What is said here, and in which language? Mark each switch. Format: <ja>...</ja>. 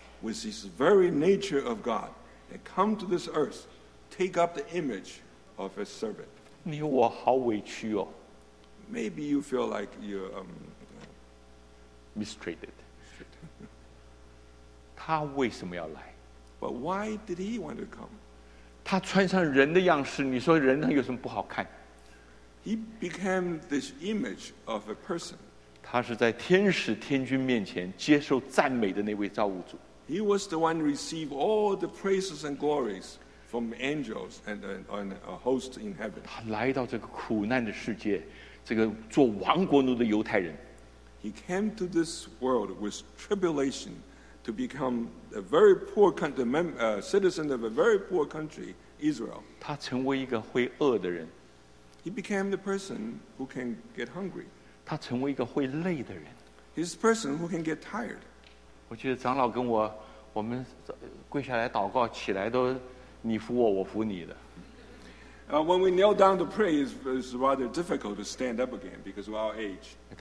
<en>with this very nature of God, and come to this earth, take up the image of a servant.</en> <zh>你我好委屈哦。</zh> <en>Maybe you feel like you're mistreated.</en> <zh>他为什么要来?</zh> <en>But why did he want to come?</en> <zh>他穿上人的样式, 你说人他有什么不好看?</zh> <en>He became this image of a person.</en> <zh>他是在天使天君面前接受赞美的那位造物主。</zh> <en>He was the one who received all the praises and glories from angels and a host in heaven.</en> <zh>他来到这个苦难的世界, 这个做亡国奴的犹太人。</zh> <en>He came to this world with tribulation to become a very poor country, citizen of a very poor country, Israel.</en> <zh>他成为一个会饿的人。</zh> <en>He became the person who can get hungry.</en> <zh>他成为一个会累的人。</zh> <en>He's the person who can get tired.</en> <zh>我觉得长老跟我 我们跪下来祷告起来都你扶我我扶你的。</zh> <en>When we kneel down to pray, it's rather difficult to stand up again because of our age.</en>